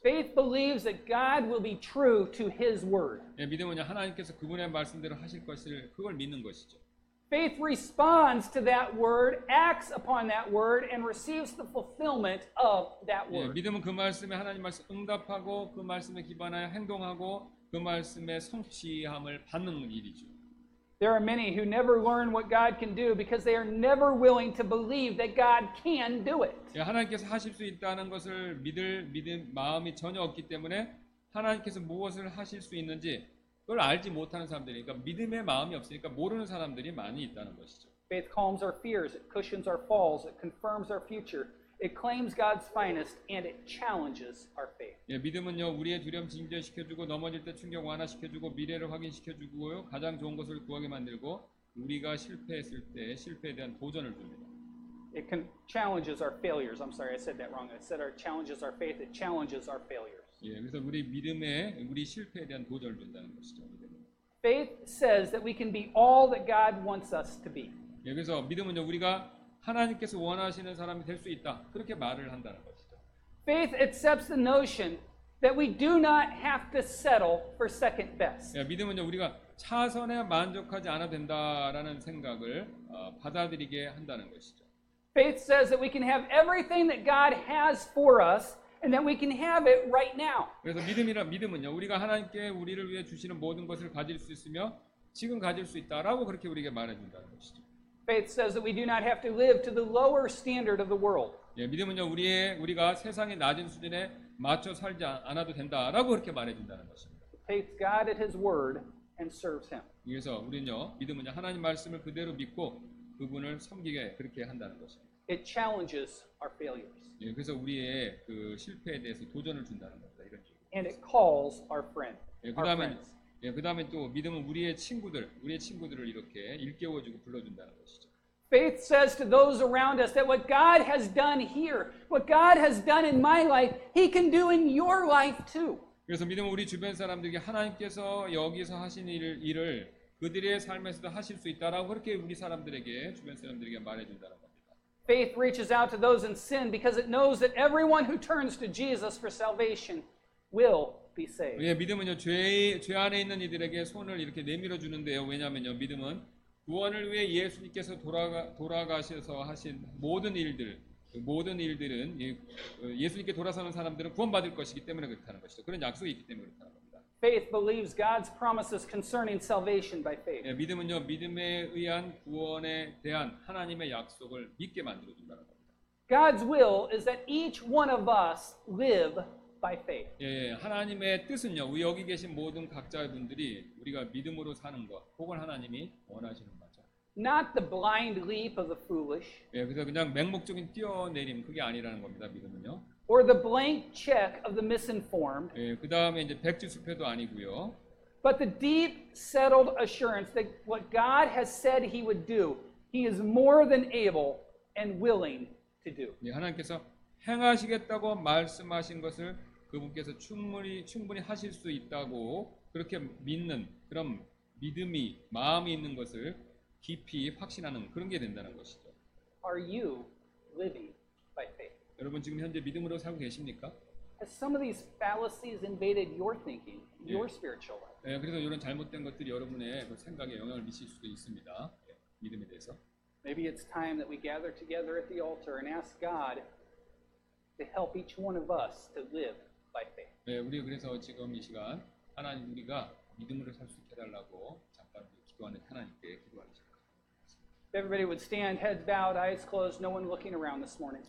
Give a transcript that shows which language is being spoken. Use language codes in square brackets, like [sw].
[en] Faith believes that God will be true to His word. [ko] 예, 믿음은요, 하나님께서 그분의 말씀대로 하실 것을 그걸 믿는 것이죠. [en] Faith responds to that word, acts upon that word, and receives the fulfillment of that word. [ko] 예, 믿음은 그 말씀에 하나님 말씀 응답하고 그 말씀에 기반하여 행동하고 그 말씀에 성취함을 받는 일이죠. [en] There are many who never learn what God can do because they are never willing to believe that God can do it. [ko] 예, 하나님께서 하실 수 있다는 것을 믿을 마음이 전혀 없기 때문에 하나님께서 무엇을 하실 수 있는지 그걸 알지 못하는 사람들이니까 믿음의 마음이 없으니까 모르는 사람들이 많이 있다는 것이죠. [en] Faith calms our fears, it cushions our falls, it confirms our future, it claims God's finest, and it challenges our faith. [ko] 예, 믿음은요 우리의 두려움 진정시켜주고 넘어질 때 충격 완화시켜주고 미래를 확인시켜주고요 가장 좋은 것을 구하게 만들고 우리가 실패했을 때 실패에 대한 도전을 줍니다. [en] It challenges our failures. I'm sorry, I said that wrong. I said our challenges our faith. It challenges our failures. [ko] 예, 그래서 우리 믿음에 우리 실패에 대한 도전을 준다는 것이죠. 믿음. [en] Faith says that we can be all that God wants us to be. [ko] 예, 그래서 믿음은요 우리가 하나님께서 원하시는 사람이 될 수 있다 그렇게 말을 한다는 것이죠. [en] Faith accepts the notion that we do not have to settle for second best. [ko] 예, 믿음은요 우리가 차선에 만족하지 않아도 된다라는 생각을 받아들이게 한다는 것이죠. [en] Faith says that we can have everything that God has for us. And that we can have it right now. [ko] 그래서 믿음은요 우리가 하나님께 우리를 위해 주시는 모든 것을 가질 수 있으며 지금 가질 수 있다라고 그렇게 우리에게 말해준다는 것이죠. [en] Faith says that we do not have to live to the lower standard of the world. [ko] 예, 믿음은요 우리가 세상의 낮은 수준에 맞춰 살지 않아도 된다라고 그렇게 말해준다는 것입니다. [en] Takes God at His word and serves Him. [ko] 그래서 우리는요 믿음은요 하나님 말씀을 그대로 믿고 그분을 섬기게 그렇게 한다는 것입니다. [en] It challenges our failures. [ko] 예, 그래서 우리의 그 실패에 대해서 도전을 준다는 겁니다. 이런 식으로. [en] And it calls our friend. [ko] 예, 그다음에 또 믿음은 우리의 친구들을 이렇게 일깨워주고 불러준다는 것이죠. [en] Faith says to those around us that what God has done here, what God has done in my life, He can do in your life too. [ko] 그래서 믿음은 우리 주변 사람들에게 하나님께서 여기서 하신 일을 그들의 삶에서도 하실 수 있다라고 그렇게 우리 사람들에게 주변 사람들에게 말해준다는 겁니다. [en] Faith reaches out to those in sin because it knows that everyone who turns to Jesus for salvation will be saved. [ko] 예, 믿음은요 죄 안에 있는 이들에게 손을 이렇게 내밀어 주는데요. 왜냐하면요 믿음은 구원을 위해 예수님께서 돌아가셔서 하신 모든 일들은 예수님께 돌아서는 사람들은 구원받을 것이기 때문에 그렇다는 것이죠. 그런 약속이 있기 때문에 그렇다는 겁니다. [en] Faith believes God's promises concerning salvation by faith. [ko] 예, 믿음은요 믿음에 의한 구원에 대한 하나님의 약속을 믿게 만들어 준다는 겁니다. [en] God's will is that each one of us live by faith. [ko] 예, 하나님의 뜻은요 우리 여기 계신 모든 각자분들이 우리가 믿음으로 사는 것, 그걸 하나님이 원하시는 거죠. [en] Not the blind leap of the foolish. [ko] 예, 그래서 그냥 맹목적인 뛰어내림 그게 아니라는 겁니다. 믿음은요. [en] Or the blank check of the misinformed. [ko] 예, 그다음에 이제 백지 수표도 아니고요. [en] But the deep settled assurance that what God has said He would do, He is more than able and willing to do. [ko] 예, 하나님께서 행하시겠다고 말씀하신 것을 그분께서 충분히 하실 수 있다고 그렇게 믿는 그런 믿음이 마음이 있는 것을 깊이 확신하는 그런 게 된다는 것이죠. [en] Are you living by faith? [ko] 여러분 지금 현재 믿음으로 살고 계십니까? [en] Has some of these fallacies invaded your thinking, your spiritual life? [ko] 예, 그래서 이런 잘못된 것들이 여러분의 그 생각에 영향을 미칠 수도 있습니다. 예, 믿음에 대해서. [en] Maybe it's time that we gather together at the altar and ask God to help each one of us to live by faith. [ko] 예, 우리 그래서 지금 이 시간 하나님 우리가 믿음으로 살 수 있게 해달라고 잠깐 기도하는 하나님께 기도하겠습니다. [en] If everybody would stand, heads bowed, eyes closed, no one looking around this morning.